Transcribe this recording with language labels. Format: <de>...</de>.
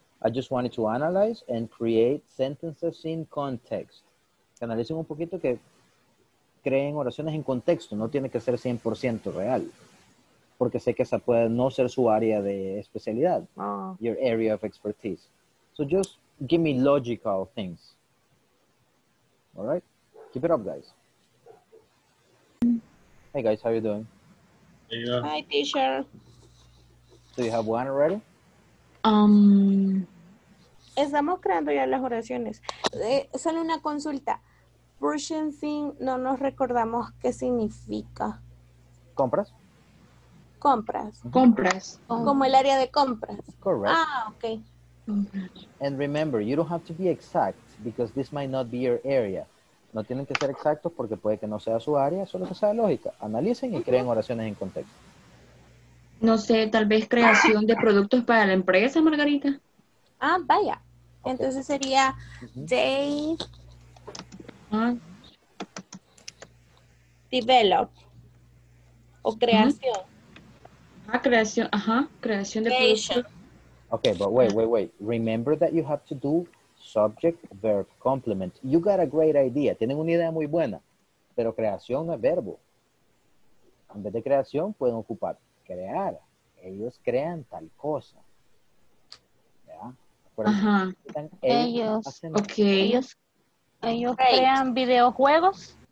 <en>I just wanted to analyze and create sentences in context.</en> <es>Analicen un poquito que creen oraciones en contexto. No tiene que ser 100% real. Porque sé que esa puede no ser su área de especialidad. Oh.</es> <en>Your area of expertise. So just give me logical things. All right? Keep it up, guys. Hey, guys. How are you doing? Yeah. Hi, teacher. Do you have one already?</en> <es>Estamos creando ya las oraciones. Solo una consulta. Purchasing, no nos recordamos qué significa. ¿Compras? Compras. Compras. Como el área de compras.</es> <en>Correct. Ah, okay. And remember, you don't have to be exact because this might not be your area.</en> <es>No tienen que ser exactos porque puede que no sea su área, solo que sea lógica. Analicen y creen oraciones en contexto. No sé, tal vez creación de productos para la empresa, Margarita. Ah, vaya. Okay. Entonces sería</es> <en>they develop</en> <es>o creación. Ah, creación, ajá, creación de productos.</es> <en>Okay, but wait. Remember that you have to do subject, verb, complement. You got a great idea.</en> <es>Tienen una idea muy buena, pero creación no es verbo. En vez de creación, pueden ocupar crear. Ellos crean tal cosa. ¿Ya? Ajá. Ellos crean videojuegos.</es>